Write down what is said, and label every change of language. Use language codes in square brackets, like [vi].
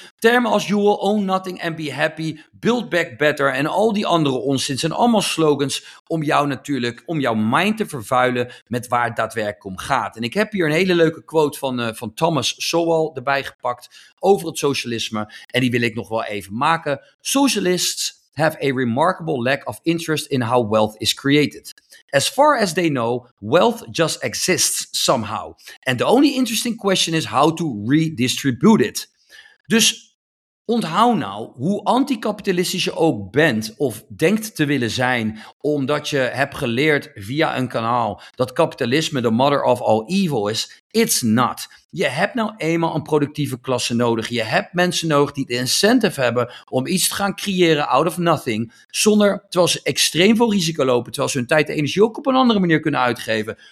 [nl] Termen als [en] you will own nothing and be happy, build back better [nl] en al die andere onzin zijn allemaal slogans om jou natuurlijk, om jouw mind te vervuilen met waar het daadwerkelijk om gaat. En ik heb hier een hele leuke quote van Thomas Sowell erbij gepakt over het socialisme. En die wil ik nog wel even maken. [en] Socialists have a remarkable lack of interest in how wealth is created. As far as they know, wealth just exists somehow. And the only interesting question is how to redistribute it. [nl] Dus onthoud nou, hoe anticapitalistisch je ook bent of denkt te willen zijn, omdat je hebt geleerd via een kanaal dat kapitalisme [en] the mother of all evil is, it's not. [nl] Je hebt nou eenmaal een productieve klasse nodig. Je hebt mensen nodig die de incentive hebben om iets te gaan creëren [en] out of nothing, [nl] zonder, terwijl ze extreem veel risico lopen, terwijl ze hun tijd en energie ook op een andere manier kunnen uitgeven.